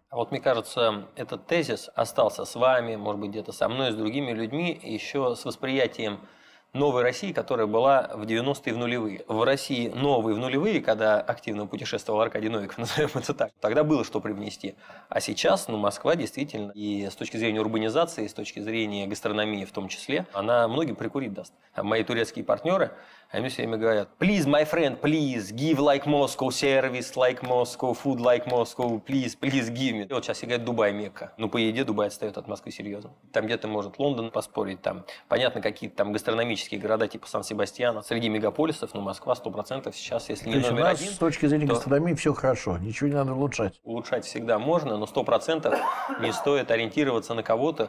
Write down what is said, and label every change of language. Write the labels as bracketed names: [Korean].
[Russian] А вот мне кажется, этот тезис остался с вами, может быть, где-то со мной, с другими людьми, еще с восприятием новой России, которая была в 90-е в нулевые. В России новые в нулевые, когда активно путешествовал Аркадий Новиков, назовем это так, тогда было что привнести. А сейчас, ну, Москва действительно, и с точки зрения урбанизации, и с точки зрения гастрономии в том числе, она многим прикурить даст. А мои турецкие партнеры, они все время говорят: [English] «Please, my friend, please, give like Moscow, service like Moscow, food like Moscow, please, please give me». [Russian] И вот сейчас играет Дубай, Мекка. Ну, по еде Дубай отстает от Москвы серьезно. Там где-то может Лондон поспорить, там, понятно, какие-то там гастрономические города типа Сан-Себастьяна. Среди мегаполисов, ну, Москва 100% сейчас, если не номер один. С точки зрения гастрономии все хорошо, ничего не надо улучшать. Улучшать всегда можно, но 100% не стоит ориентироваться на кого-то.